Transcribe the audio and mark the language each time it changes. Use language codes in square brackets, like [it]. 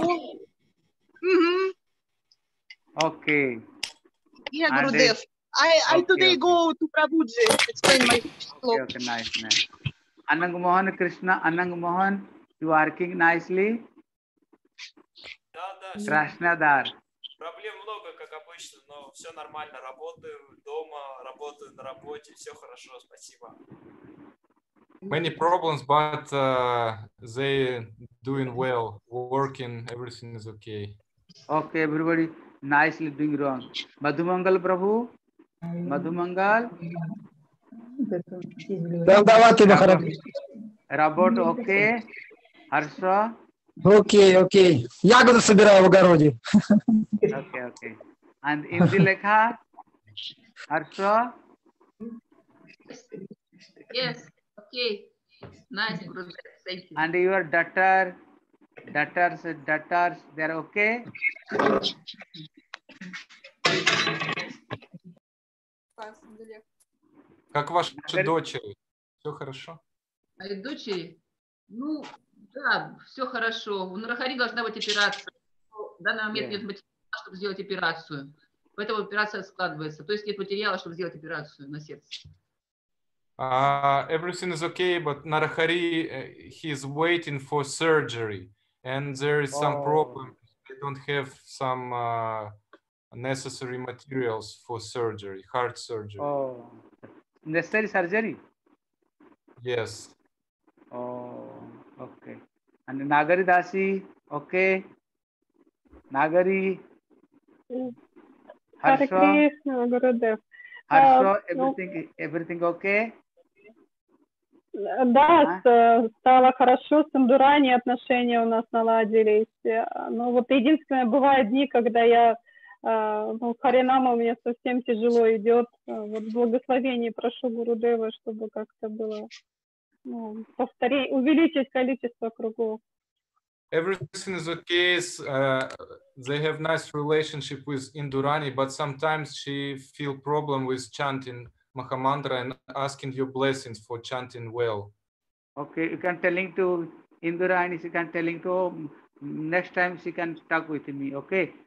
[en] Mm-hmm. Okay. Yeah, Gurudev. I today go to Prabhuji. Explain my slow. Okay, nice. Anang Mohan, Krishna, Anang Mohan, you are working nicely? Krasnodar. [ru] Проблем много, как обычно, но все нормально. Работаю дома, работаю на работе, все хорошо, спасибо. [en] Many problems, but they doing well, working, everything is okay. Okay, everybody nicely doing wrong. Madhumangal Prabhu? Madhumangal? Dandavati Maharaj. Robot, okay. Harsha? [ru] Окей, окей. Ягоды собираю в огороде. Окей, окей. And Инди Лекха? Хорошо? [en] Yes, окей. Okay. Nice, Гурудев. Thank you. And your daughters, they are okay? [ru] Как ваши дочери? Все хорошо? Мои дочери? Ну... Да, все хорошо. У Нарахари должна быть операция. В данный момент нет материала, чтобы сделать операцию. Поэтому операция складывается. То есть нет материала, чтобы сделать операцию на сердце. [en] Everything is okay, but Нарахари, he is waiting for surgery. And there is some problem. They don't have some necessary materials for surgery, heart surgery. Oh, necessary surgery? Yes. Oh, okay. And Nagari Dasi, okay. Nagari. Harsha. Gurudev. Harsha, everything okay? [ru] Да, стало хорошо, с Индурани отношения у нас наладились, но вот единственное, бывают дни, когда я, ну, Харинама, у меня совсем тяжело идет, вот благословение прошу Гурудева, чтобы как-то было, ну, повторить, увеличить количество кругов. [en] Everything is okay, they have nice relationship with Indurani, but sometimes she feel problem with chanting Mahamantra and asking your blessings for chanting well. Okay, you can tell to Indurani, she can tell to next time she can talk with me, okay?